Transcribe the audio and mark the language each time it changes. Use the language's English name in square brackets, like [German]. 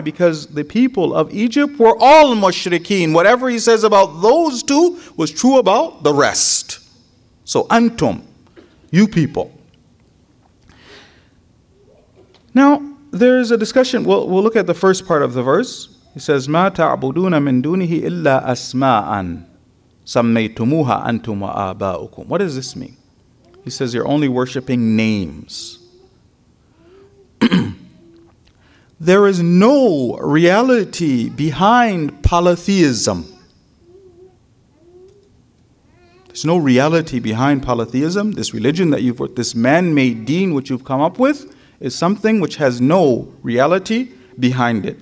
[English] Because the people of Egypt were all mushrikeen. Whatever he says about those two was true about the rest. So antum, you people. Now, there is a discussion. We'll look at the first part of the verse. He says, [Arabic] مَا تَعْبُدُونَ مِن دُونِهِ إِلَّا أَسْمَاءً سَمَّيْتُمُوهَا أَنْتُمْ وَآبَاؤُكُمْ. [English] What does this mean? He says, you're only worshipping names. There is no reality behind polytheism. There's no reality behind polytheism. This religion that you've, this man-made deen which you've come up with, is something which has no reality behind it.